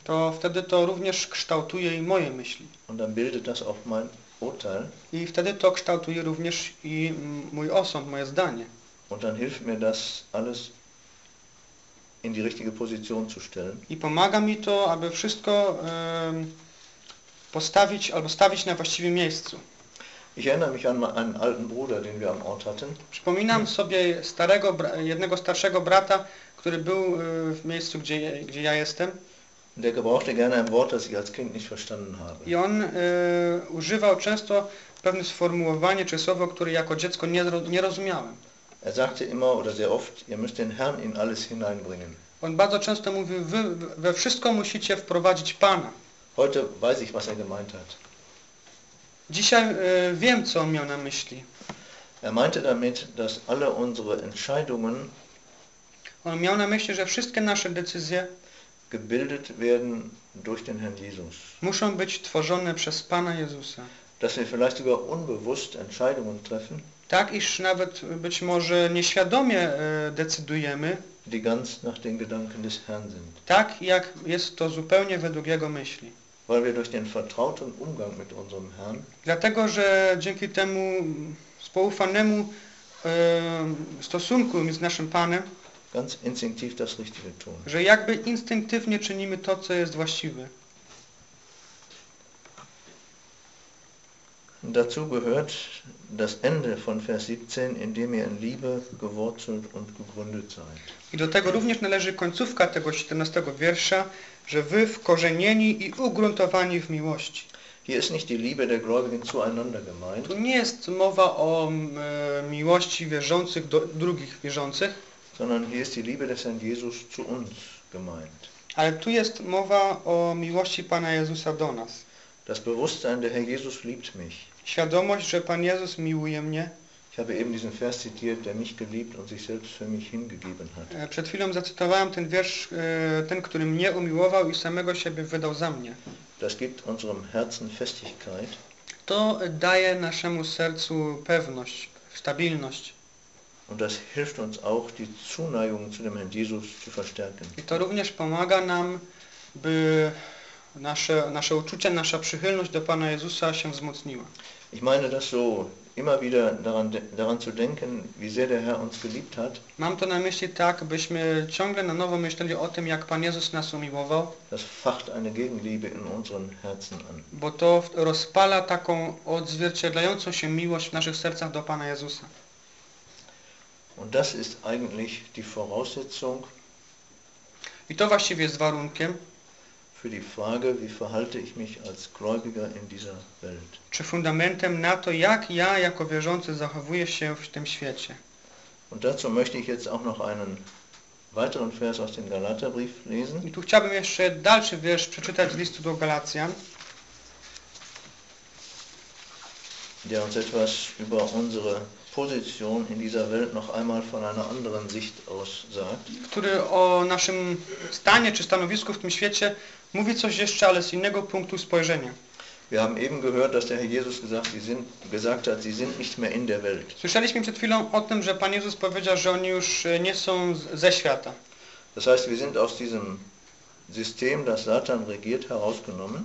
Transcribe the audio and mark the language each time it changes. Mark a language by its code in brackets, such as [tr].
[pl] To wtedy to również kształtuje i moje myśli. [de] Und dann bildet das auch mein Urteil. [pl] I wtedy to kształtuje również i mój osąd, moje zdanie. [de] Und dann hilft mir das alles in die richtige Position zu stellen. [pl] I pomaga mi to, aby wszystko postawić albo stawić na właściwym miejscu. [de] Ich erinnere mich an einen alten Bruder, den wir am Ort hatten. [pl] Przypominam sobie starego, jednego starszego brata, który był w miejscu, gdzie ja jestem. [de] Der gebrauchte gerne ein Wort, das ich als Kind nicht verstanden habe. [pl] I on używał często pewne sformułowanie czy słowo, które jako dziecko nie rozumiałem. [de] Er sagte immer oder sehr oft, ihr müsst den Herrn in alles hineinbringen. [pl] On bardzo często mówił, wy we wszystko musicie wprowadzić Pana. [de] Heute weiß ich, was er gemeint hat. [pl] Dzisiaj wiem, co on miał na myśli. [de] Er meinte damit, dass alle unsere Entscheidungen [pl] on miał na myśli, że wszystkie nasze decyzje [de] gebildet werden durch den Herrn Jesus. [pl] Muszą być tworzone przez Pana Jezusa. [de] Dass wir vielleicht sogar unbewusst Entscheidungen treffen, [pl] tak, iż nawet być może nieświadomie decydujemy, [de] die ganz nach den Gedanken des Herrn sind. [pl] Tak, jak jest to zupełnie według Jego myśli. [de] Weil wir durch den vertrauten Umgang mit unserem Herrn, [pl] dlatego, że dzięki temu spoufanemu stosunku z naszym Panem, [de] ganz instinktiv das Richtige tun. [pl] Że jakby instynktywnie czynimy to, co jest właściwe. [de] Dazu gehört das Ende von Vers 17, indem ihr in Liebe gewurzelt und gegründet seid. [pl] I do tego również należy końcówka tego 17 wiersza, że wy wkorzenieni i ugruntowani w miłości. [de] Hier ist nicht die Liebe der Gläubigen zueinander gemeint. [pl] Tu nie jest mowa o miłości wierzących do drugich wierzących, [de] sondern hier ist die Liebe des Herrn Jesus zu uns gemeint. [pl] Ale tu jest mowa o miłości Pana Jezusa do nas. [de] Das Bewusstsein, der Herr Jesus liebt mich. [pl] Świadomość, że Pan Jezus miłuje mnie. [de] Ich habe eben diesen Vers zitiert, der mich geliebt und sich selbst für mich hingegeben hat. [pl] Przed chwilą zacytowałem ten wiersz, ten, który mnie umiłował i samego siebie wydał za mnie. [de] Das gibt unserem Herzen Festigkeit. [pl] To daje naszemu sercu pewność, stabilność. [de] Und das hilft uns auch, die Zuneigung zu dem Herrn Jesus zu verstärken. [pl] I to również pomaga nam, by nasze uczucia, nasza przychylność do Pana Jezusa się wzmocniła. [de] Ich meine das so, immer wieder daran zu denken, wie sehr der Herr uns geliebt hat. [pl] Mam to na myśli tak, byśmy ciągle na nowo myśleli o tym, jak Pan Jezus nas umiłował. [de] Das facht eine Gegenliebe in unseren Herzen an. [pl] Bo to rozpala taką odzwierciedlającą się miłość w naszych sercach do Pana Jezusa. [de] Und das ist eigentlich die Voraussetzung. [pl] I to właściwie jest warunkiem [de] für die Frage, wie verhalte ich mich als Gläubiger in dieser Welt. [pl] Czy fundamentem na to, jak ja jako wierzący zachowuję się w tym świecie. [de] Und dazu möchte ich jetzt auch noch einen weiteren Vers aus dem Galaterbrief lesen. [pl] I tu chciałbym jeszcze dalszy wiersz przeczytać z listu do Galacjan. [de] Der uns etwas über unsere Position in dieser Welt noch einmal von einer anderen Sicht aus sagt. [pl] Który o naszym stanie czy stanowisku w tym świecie mówi coś jeszcze, ale z innego punktu spojrzenia. [de] Wir haben eben gehört, dass der Herr Jesus gesagt hat, sie sind nicht mehr in der Welt. [pl] Słyszeliśmy przed chwilą o tym, że Pan Jezus powiedział, że oni już nie są ze świata. [de] Das heißt, wir sind aus diesem System, das Satan regiert, herausgenommen.